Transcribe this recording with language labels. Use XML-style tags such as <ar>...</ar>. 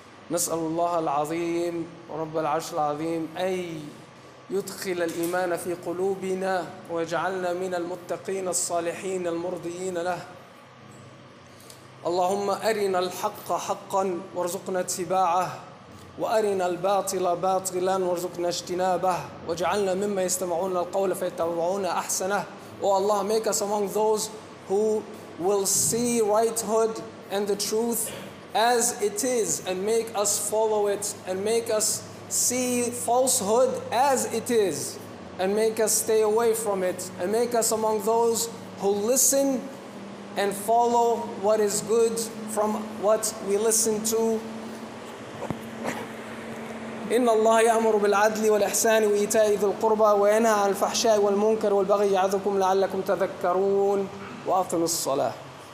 <ar>نسأل الله العظيم رب العرش العظيم أي يدخل الإيمان في قلوبنا ويجعلنا من المتقين الصالحين المرضيين له. اللهم أرنا الحق حقا وارزقنا اتباعه، وأرنا الباطل باطلا وارزقنا اجتنابه، واجعلنا مما يستمعون القول فيتبعون أحسنه.</ar> <en>Oh Allah, make us among those who will see righthood and the truth as it is, and make us follow it, and make us see falsehood as it is, and make us stay away from it, and make us among those who listen and follow what is good from what we listen to.</en> <ar>إن الله يأمر بالعدل والإحسان وإيتاء ذي القربى وينهى عن الفحشاء والمنكر والبغي يعظكم لعلكم تذكرون وأقم الصلاة.</ar>